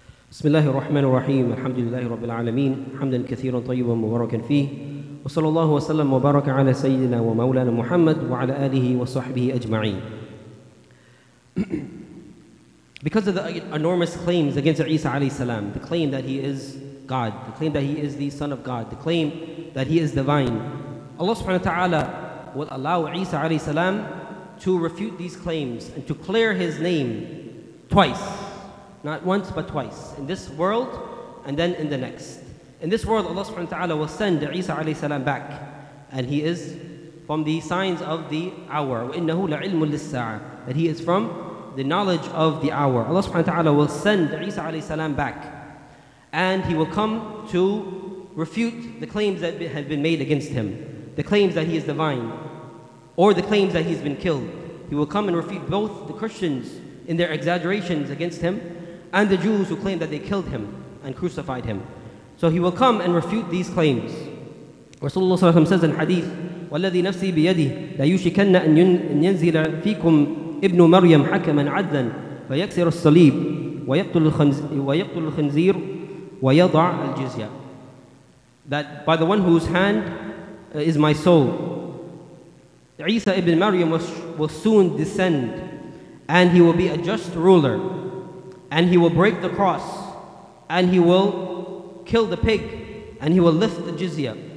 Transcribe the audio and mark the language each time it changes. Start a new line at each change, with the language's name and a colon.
Arabic: بسم الله الرحمن الرحيم الحمد لله رب العالمين حمدا كثيرا طيبا مباركا فيه وصلى الله وسلم وبارك على سيدنا ومولانا محمد وعلى آله وصحبه أجمعين.
English: Because of the enormous claims against Isa alayhi salam, the claim that he is God, the claim that he is the Son of God, the claim that he is divine, Allah subhanahu wa ta'ala will allow Isa alayhi salam to refute these claims and to clear his name twice. Not once, but twice. In this world, and then in the next. In this world, Allah subhanahu wa ta'ala will send Isa alayhi salam back. And he is from the signs of the hour.
Arabic: وَإِنَّهُ لَعِلْمٌ لِلسَّاعَةِ.
English: That he is from the knowledge of the hour. Allah subhanahu wa ta'ala will send Isa alayhi salam back. And he will come to refute the claims that have been made against him. The claims that he is divine. or the claims that he's been killed. He will come and refute both the Christians in their exaggerations against him and the Jews who claim that they killed him and crucified him. So he will come and refute these claims. Rasulullah says in hadith,
Arabic: وَالَّذِي نَفْسِي بِيَدِهِ لَيُشِكَنَّ أَنْ يَنْزِلَ فِيكُمْ إِبْنُ مَرْيَمْ حَكَمًا عَدْلًا فَيَكْسِرُ الصَّلِيبُ وَيَقْتُلُ الْخَنْزِيرُ وَيَضَعُ الْجِزْيَ.
English: That by the one whose hand is my soul, Isa ibn Maryam will soon descend, and he will be a just ruler, and he will break the cross, and he will kill the pig, and he will lift the jizya.